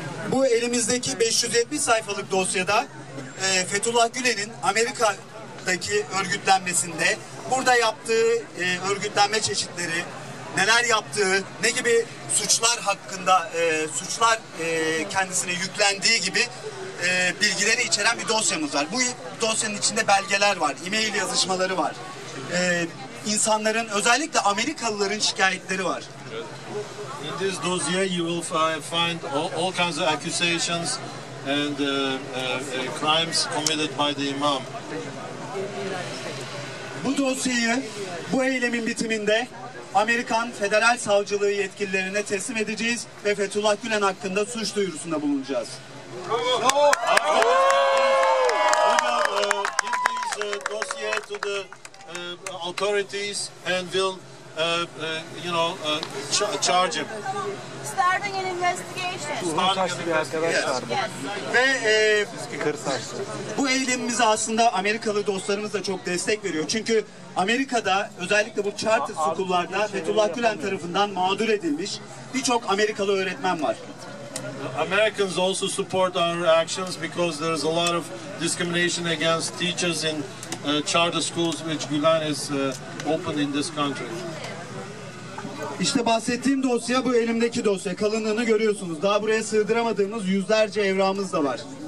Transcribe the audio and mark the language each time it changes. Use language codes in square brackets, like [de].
[tr] Bu elimizdeki 570 sayfalık dosyada Fethullah Gülen'in Amerika'daki örgütlenmesinde burada yaptığı örgütlenme çeşitleri, neler yaptığı, ne gibi suçlar hakkında suçlar kendisine yüklendiği gibi bilgileri içeren bir dosyamız var. Bu dosyanın içinde belgeler var, e-mail yazışmaları var. İnsanların, özellikle Amerikalıların şikayetleri var. [en] In this dossier you will find all kinds of accusations and crimes committed by the imam. [tr] Bu dosyayı, bu eylemin bitiminde Amerikan Federal Savcılığı yetkililerine teslim edeceğiz ve Fethullah Gülen hakkında suç duyurusunda bulunacağız. Bravo! [en] We will give this dossier to the authorities and will, you know, charge him. Starting an investigation. Ruhun taşlı bir arkadaşlar. Yes. [tr] Yes. Ve bu eylemimize aslında Amerikalı dostlarımız da çok destek veriyor. Çünkü Amerika'da özellikle bu charter school'larda Fethullah Gülen tarafından mağdur edilmiş birçok Amerikalı öğretmen var. [en] Americans also support our actions because there is a lot of discrimination against teachers in charter schools which Gülen has opened in this country. [tr] İşte bahsettiğim dosya bu elimdeki dosya. Kalınlığını görüyorsunuz. Daha buraya sığdıramadığımız yüzlerce evramız da var.